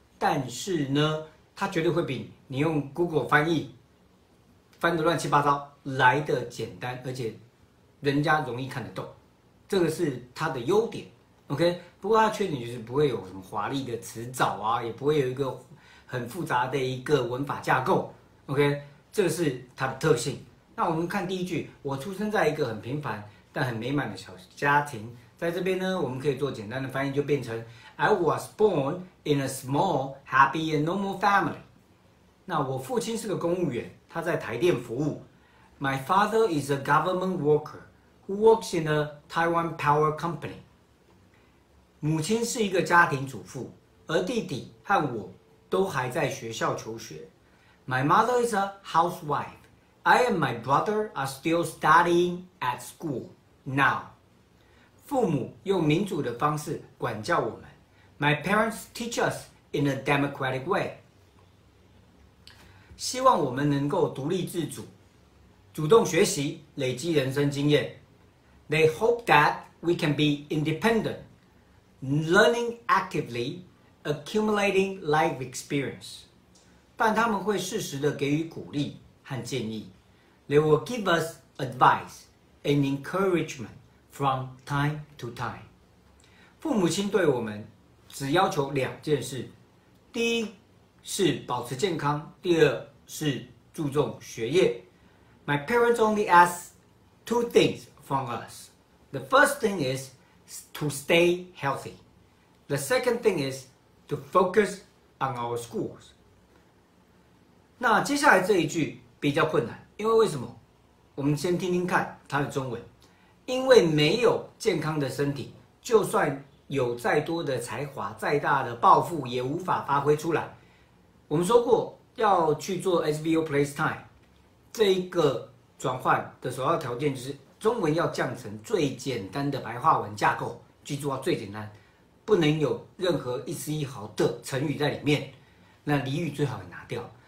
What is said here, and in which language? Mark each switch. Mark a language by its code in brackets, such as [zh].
[zh] 但是呢，它绝对会比你用 Google 翻译翻得乱七八糟来得简单，而且人家容易看得懂，这个是它的优点。 OK，不过它的缺点就是不会有什么华丽的辞藻啊，也不会有一个很复杂的一个文法架构。 OK，这个是它的特性。那我们看第一句，我出生在一个很平凡但很美满的小家庭。在这边呢，我们可以做简单的翻译，就变成 [en] "I was born in a small, happy and normal family." [zh] 那我父亲是个公务员，他在台电服务。 [en] My father is a government worker who works in a Taiwan power company. [zh] 母亲是一个家庭主妇，而弟弟和我都还在学校求学。 [en] My mother is a housewife. I and my brother are still studying at school now. [zh] 父母用民主的方式管教我们。 [en] My parents teach us in a democratic way。 [zh] 希望我们能够独立自主，主动学习，累积人生经验。 [en] They hope that we can be independent, learning actively accumulating life experience， [zh] 但他们会适时的给予鼓励和建议。 [en] They will give us advice and encouragement from time to time。 [zh] 父母亲对我们只要求两件事：第一是保持健康，第二是注重学业。 [en] My parents only ask two things from us. The first thing is to stay healthy. The second thing is to focus on our schools. [zh] 那接下来这一句比较困难，因为为什么？我们先听听看它的中文。因为没有健康的身体，就算有再多的才华，再大的抱负，也无法发挥出来。我们说过要去做 SBO Playtime 这一个转换的首要条件，就是中文要降成最简单的白话文架构，记住啊，最简单，不能有任何一丝一毫的成语在里面，那俚语最好也拿掉。